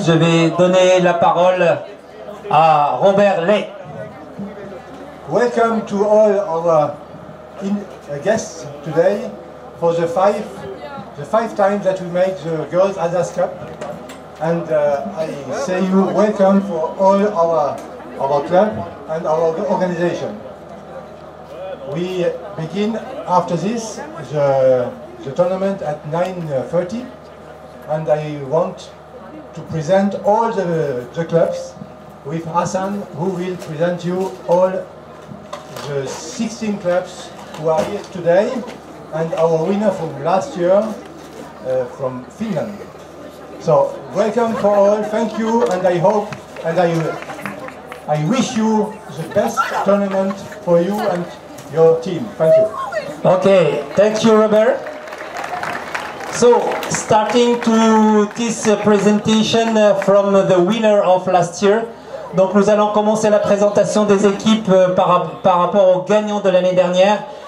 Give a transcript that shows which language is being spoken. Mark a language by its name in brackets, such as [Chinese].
[French] Je vais donner la parole à Robert Lay. [English] Welcome to all our guests today for the five times that we make the Girls Alsace Cup. And I say you welcome for all our club and our organization. We begin after this the tournament at 9:30, and I want to present all the clubs with Hassan, who will present you all the 16 clubs who are here today, and our winner from last year from Finland. So welcome for all, thank you, and I hope and I wish you the best tournament for you and your team. Thank you. Okay, thank you, Robert. So, starting to this presentation from the winner of last year. [French] Donc, nous allons commencer la présentation des équipes par rapport aux gagnants de l'année dernière.